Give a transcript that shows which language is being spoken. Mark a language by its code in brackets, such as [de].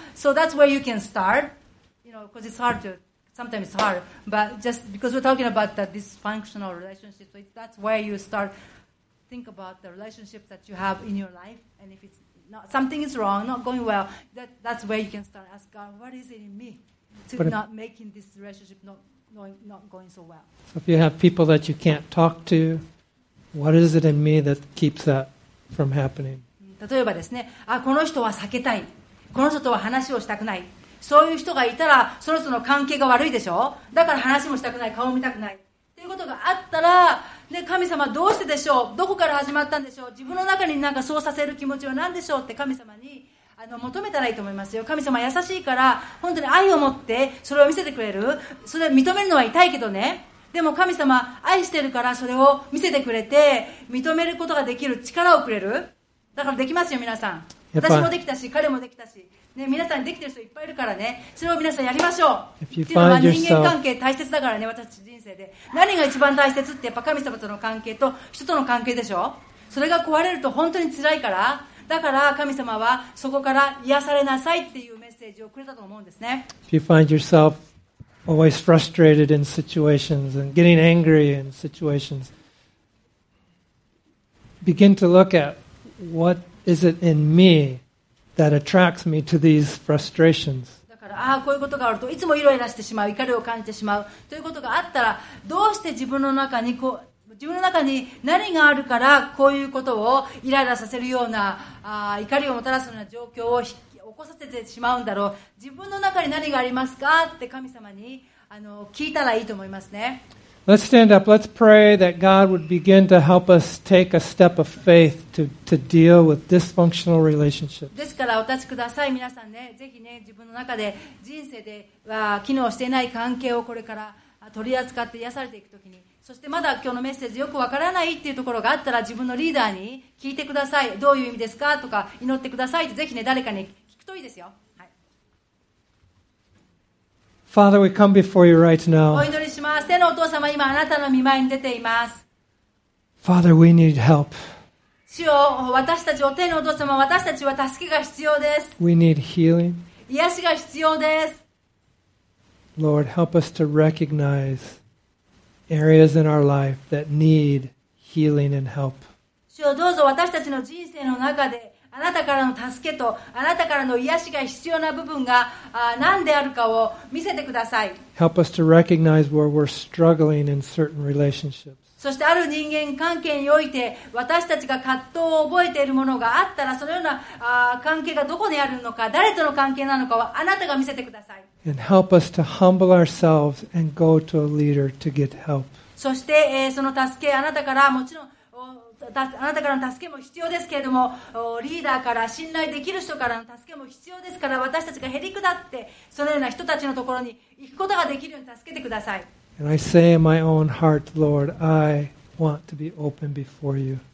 [en] So that's where you can start, you know, because it's hard to, sometimes it's hard, but just because we're talking about that dysfunctional relationship, so that's where you start, think about the relationship that you have in your life, and if it's not, something is wrong, not going well, that's where you can start, ask God, what is it in me to not making this relationship not going so well. So if you have people that you can't talk to, what is it in me that keeps that from happening? [ja] 例えばですね、この人は避けたい、この人とは話をしたくない、そういう人がいたらその人の関係が悪いでしょ、だから話もしたくない、顔を見たくないっていうことがあったら、ね、神様どうしてでしょう、どこから始まったんでしょう、自分の中になんかそうさせる気持ちは何でしょうって神様に求めたらいいと思いますよ。神様優しいから本当に愛を持ってそれを見せてくれる。それを認めるのは痛いけどね、でも神様愛してるからそれを見せてくれて認めることができる力をくれる。だからできますよ皆さん。私もできたし彼もできたし、ね、皆さんできてる人いっぱいいるからね、それを皆さんやりましょう。っていうのは人間関係大切だからね、私たち人生で何が一番大切ってやっぱ神様との関係と人との関係でしょ。それが壊れると本当に辛いから、だから神様はそこから癒されなさいっていうメッセージをくれたと思うんですね。 [en] If you find yourself always frustrated in situations and getting angry in situations, begin to look at what is it in me that attracts me to these frustrations. [ja] ああこういうことがあるといつもイライラしてしまう怒りを感じてしまうということがあったらどうして自分の中にこう自分の中に何があるからこういうことをイライラさせるようなああ怒りをもたらすような状況を起こさせてしまうんだろう自分の中に何がありますかって神様にあの聞いたらいいと思いますね [en] Let's stand up. Let's pray that God would begin to help us take a step of faith to deal with dysfunctional relationships. [ja] ですからお立ちください皆さんね。ぜひね自分の中で人生では機能していない関係をこれから取り扱って癒されていくときに、そしてまだ今日のメッセージよくわからないっていうところがあったら自分のリーダーに聞いてください。どういう意味ですかとか祈ってくださいってぜひね誰かに聞くといいですよ。 [en] Father, we come before you right now. [ja] お祈りします。天のお父様、今あなたの御前に出ています。 [en] Father, we need help. [ja] 主よ、私たち、天のお父様、私たちは助けが必要です。 [en] We need healing. [ja] 癒しが必要です。 [en] Lord, help us to recognize areas in our life that need healing and help. [ja] 主よ、どうぞ私たちの人生の中で、あなたからの助けとあなたからの癒しが必要な部分が何であるかを見せてください。 [en] Help us to recognize where we're struggling in certain relationships. [ja] そしてある人間関係において私たちが葛藤を覚えているものがあったらそのような関係がどこにあるのか誰との関係なのかはあなたが見せてください。 [en] And help us to humble ourselves and go to a leader to get help. [ja] そしてその助けあなたからもちろんあなたからの助けも必要ですけれどもリーダーから信頼できる人からの助けも必要ですから私たちがへりくだってそのような人たちのところに行くことができるように助けてください [en] And I say in my own heart, Lord, I want to be open before you.